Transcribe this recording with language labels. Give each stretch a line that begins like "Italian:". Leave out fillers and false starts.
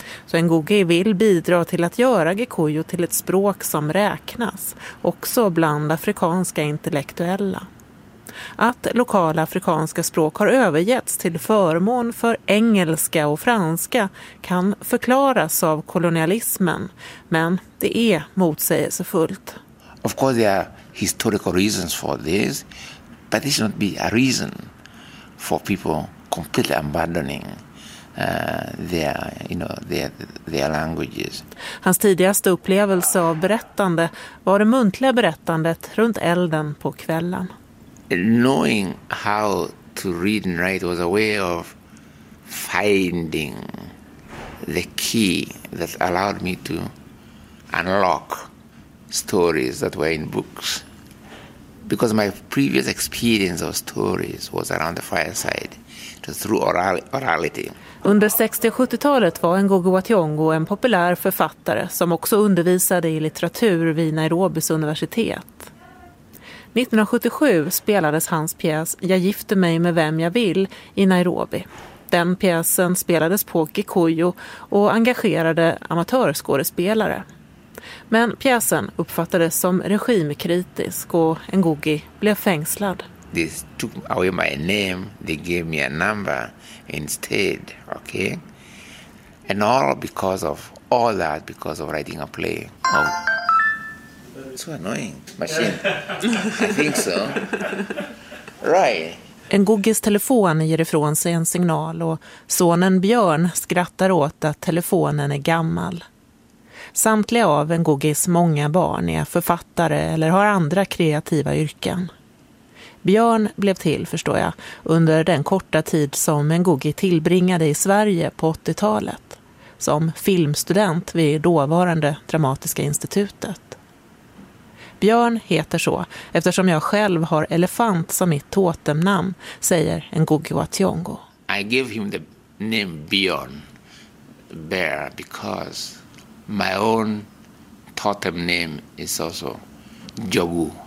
Swedish: Så Ngugi vill bidra till att göra Kikuyu till ett språk som räknas, också bland afrikanska intellektuella. att lokala afrikanska språk har övergetts till förmån för engelska och franska kan förklaras av kolonialismen, men det är motsägelsefullt.
English: Of course there are historical reasons for this, but this should not be a reason for people completely abandoning their languages.
Swedish: Hans tidigaste upplevelse av berättande var det muntliga berättandet runt elden på kvällen.
English: Knowing how to read and write was a way of finding the key that allowed me to unlock stories that were in books. Because my previous experience of stories was around the fireside, through orality.
Swedish: Under 60- och 70-talet var Ngugi wa Thiong'o en populär författare som också undervisade i litteratur vid Nairobis universitet. 1977 spelades hans pjäs Jag gifter mig med vem jag vill i Nairobi. Den pjäsen spelades på Kikuyu och engagerade amatörskådespelare. Men pjäsen uppfattades som regimkritisk och Ngugi blev fängslad.
English: They took away my name, they gave me a number instead, okay? And all because of all that, because of writing a play. Oh. So annoying. Machine. I think so. Right.
Swedish: Ngugis telefon ger ifrån sig en signal och sonen Björn skrattar åt att telefonen är gammal. Samtliga av Ngugis många barn är författare eller har andra kreativa yrken. Björn blev till, förstår jag, under den korta tid som Ngugi tillbringade i Sverige på 80-talet. Som filmstudent vid dåvarande Dramatiska institutet. Björn heter så eftersom jag själv har elefant som mitt totemnamn, säger Ngugi wa Thiong'o.
English: I give him the name Björn Bear because my own totem name is also Jogu.